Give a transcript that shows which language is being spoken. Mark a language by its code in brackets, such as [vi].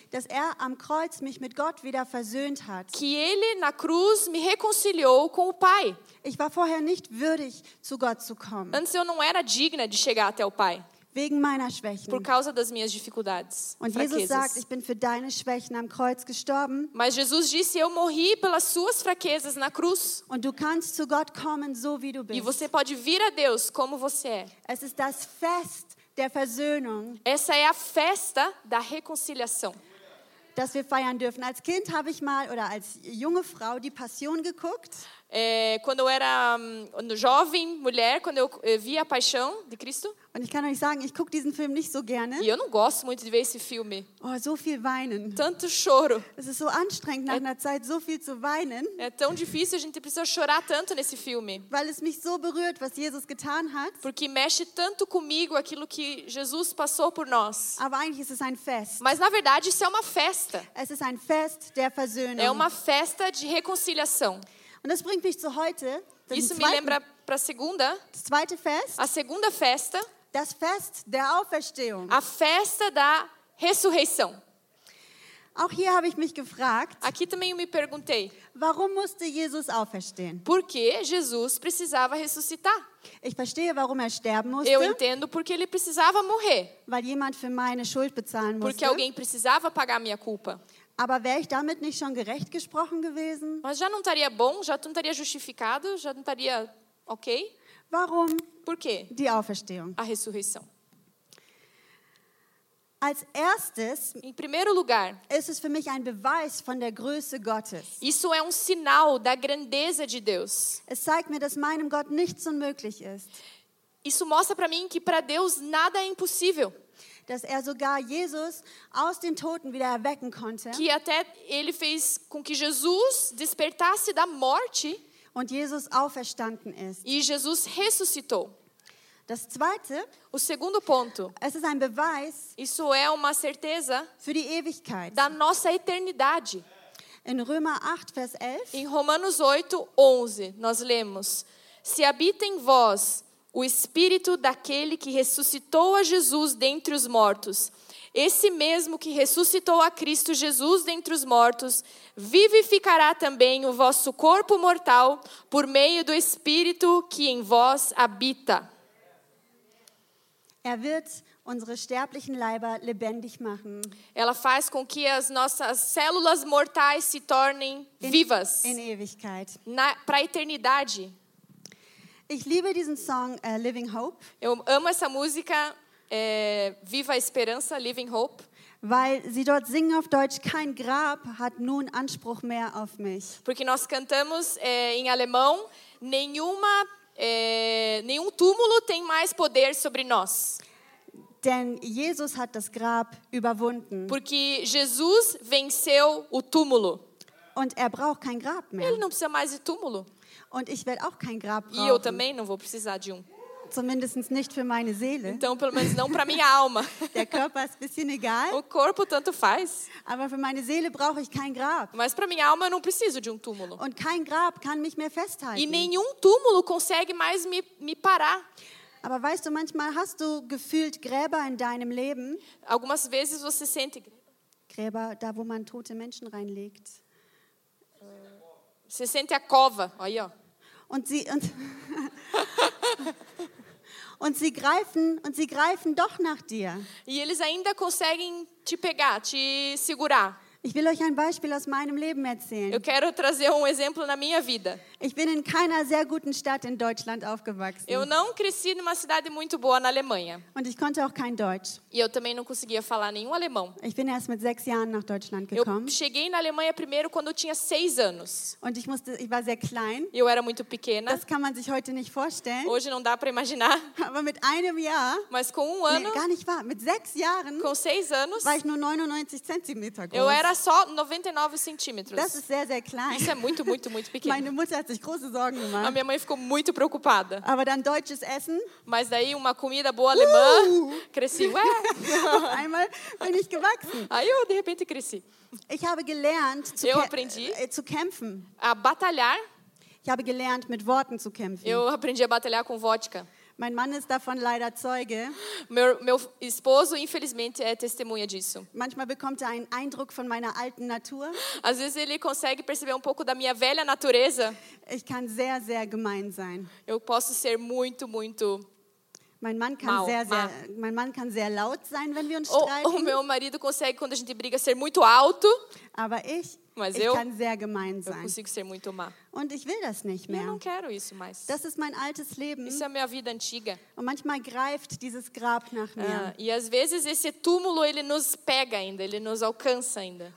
[de] Dass er am Kreuz mich mit Gott wieder versöhnt hat. [pt] Que ele na cruz me reconciliou com o Pai. [de] Ich war vorher nicht würdig zu Gott zu kommen. [pt] Antes eu não era digna de chegar até o Pai. [de] Wegen meiner Schwächen. [pt] Por causa das minhas dificuldades. [de] Und Jesus sagt, ich bin für deine Schwächen am Kreuz gestorben. [pt] Mas Jesus disse, eu morri pelas suas fraquezas na cruz. [de] Und du kannst zu Gott kommen, so wie du bist. [pt] E você pode vir a Deus como você é. [de] Es ist das Fest der Versöhnung. [pt] Essa é a festa da reconciliação. [de] Dass wir feiern dürfen. Als Kind habe ich mal oder als junge Frau die Passion geguckt. [pt] Quando eu era jovem mulher, quando eu vi a Paixão de Cristo. [de] Und ich kann euch sagen, ich gucke diesen Film nicht so gerne. [pt] E eu não gosto muito de ver esse filme. [de] Oh, so viel weinen. [pt] Tanto choro. [de] Es ist so anstrengend nach einer Zeit so viel zu weinen. [pt] É tão difícil, a gente precisa chorar tanto nesse filme. [de] Weil es mich so berührt, was Jesus getan hat. [pt] Porque mexe tanto comigo aquilo que Jesus passou por nós. [de] Aber eigentlich ist es ein Fest. [pt] Mas na verdade isso é uma festa. [de] Es ist ein Fest der Versöhnung. [pt] É uma festa de reconciliação. [de] Und das bringt mich zu heute. [pt] Isso me lembra para a segunda. [de] Das zweite Fest. [pt] A segunda festa. [de] Das Fest der Auferstehung. [pt] A festa da ressurreição. [de] Auch hier habe ich mich gefragt. [pt] Aqui também eu me perguntei. [de] Warum musste Jesus auferstehen? [pt] Por que Jesus precisava ressuscitar? [de] Ich verstehe, warum er sterben musste. [pt] Eu entendo porque ele precisava morrer. [de] Weil jemand für meine Schuld bezahlen musste. [pt] Porque alguém precisava pagar minha culpa. [de] Aber wäre ich damit nicht schon gerecht gesprochen gewesen? [pt] Mas já não estaria bom, já não estaria justificado, já não estaria ok? [de] Warum? [pt] Por quê? [de] Die Auferstehung. [pt] A ressurreição. [de] Als erstes, [pt] em primeiro lugar, [de] ist es für mich ein Beweis von der Größe Gottes. [pt] Isso é sinal da grandeza de Deus. [de] Es zeigt mir, dass meinem Gott nichts unmöglich ist. [pt] Isso mostra para mim que para Deus nada é impossível. [de] Dass er sogar Jesus aus den Toten wieder erwecken konnte. [pt] Que até ele fez com que Jesus despertasse da morte. [de] Und Jesus auferstanden ist. [pt] E Jesus ressuscitou. [de] Das zweite, [pt] o segundo ponto. [de] Es ist ein Beweis. [pt] Isso é uma certeza. [de] Für die Ewigkeit. [pt] Da nossa eternidade. [de] In Römer 8 Vers 11. [pt] Em Romanos 8, 11, nós lemos: Se habita em vós o Espírito daquele que ressuscitou a Jesus dentre os mortos, esse mesmo que ressuscitou a Cristo Jesus dentre os mortos, vivificará também o vosso corpo mortal por meio do Espírito que em vós habita. [de] Wird unsere sterblichen Leiber lebendig machen. [pt] Ela faz com que as nossas células mortais se tornem vivas. [de] In Ewigkeit. [pt] Para a eternidade. [de] Ich liebe diesen Song, Living Hope. [pt] Eu amo essa música, Viva a Esperança, Living Hope. [de] Weil sie dort singen auf Deutsch, kein Grab hat nun Anspruch mehr auf mich. [pt] Porque nós cantamos em alemão, nenhum túmulo tem mais poder sobre nós. [de] Denn Jesus hat das Grab überwunden. [pt] Porque Jesus venceu o túmulo. [de] Und er braucht kein Grab mehr. [pt] Ele não precisa mais de túmulo. [de] Und ich werde auch kein Grab brauchen. [pt] E eu também não vou precisar de [de] Zumindest nicht für meine Seele. [pt] Então, pelo menos não para minha alma. [de] Der Körper ist ein bisschen egal. [pt] O corpo tanto faz. [de] Aber für meine Seele brauche ich kein Grab. [pt] Mas para minha alma eu não preciso de túmulo. [de] Und kein Grab kann mich mehr festhalten. [pt] E nenhum túmulo consegue mais me parar. [de] Aber weißt du, manchmal hast du gefühlt Gräber in deinem Leben. [pt] Algumas vezes você sente [de] Gräber, da wo man tote Menschen reinlegt. [pt] Você sente a cova. Aí, ó. [de] Und sie greifen doch nach dir. [pt] E eles ainda conseguem te pegar, te segurar. [de] Ich will euch ein Beispiel aus meinem Leben erzählen. [pt] Eu quero trazer exemplo na minha vida. [de] Ich bin in keiner sehr guten Stadt in Deutschland aufgewachsen. [pt] Eu não cresci numa cidade muito boa na Alemanha. [de] Und ich konnte auch kein Deutsch. [pt] E eu também não conseguia falar nenhum alemão. [de] Ich bin erst mit 6 Jahren nach Deutschland gekommen. [pt] Eu cheguei na Alemanha primeiro quando eu tinha 6 anos. [de] Und ich war sehr klein. [pt] Eu era muito pequena. [de] Das kann man sich heute nicht vorstellen. [pt] Hoje não dá para imaginar. [de] Aber mit einem Jahr. [pt] Mas com ano. [de] Gar nicht wahr. Mit 6 Jahren. [pt] Com 6 anos. [de] War ich nur 99 Zentimeter groß. [pt] Eu era só 99 centímetros. [de] Das ist sehr sehr klein. [pt] Isso é muito muito muito pequeno. [de] Meine Mutter hat sich große Sorgen gemacht. [pt] A minha mãe ficou muito preocupada. [de] Aber dann deutsches Essen. [pt] Mas daí uma comida boa alemã. Cresci. Ué. [de] Einmal bin ich gewachsen. [pt] Aí eu de repente cresci. [de] Ich habe gelernt [pt] eu aprendi [de] zu kämpfen. [pt] A batalhar. [de] Ich habe gelernt, mit Worten zu kämpfen. [pt] Eu aprendi a batalhar com vodka. [de] Mein Mann ist davon leider Zeuge. [pt] Meu esposo, infelizmente, é testemunha disso. [de] Manchmal bekommt er einen Eindruck von meiner alten Natur. [pt] Às vezes ele consegue perceber pouco da minha velha natureza. [de] Ich kann sehr, sehr gemein sein. [pt] Eu posso ser muito, muito [de] mein Mann kann mal, sehr, mal. Sehr, mein Mann kann sehr laut sein, wenn wir uns streiten. [pt] O meu marido consegue, quando a gente briga, ser muito alto. [de] Aber ich... [pt] Mas [de] ich kann sehr gemein sein. [pt] Eu consigo ser muito má. [de] Und ich will das nicht mehr. [pt] Eu não quero isso mais. [de] Das ist mein altes Leben. [pt] Isso é minha vida antiga. [de] Und manchmal greift dieses Grab nach mir. [pt] E às vezes esse túmulo ele nos pega ainda, ele nos alcança ainda.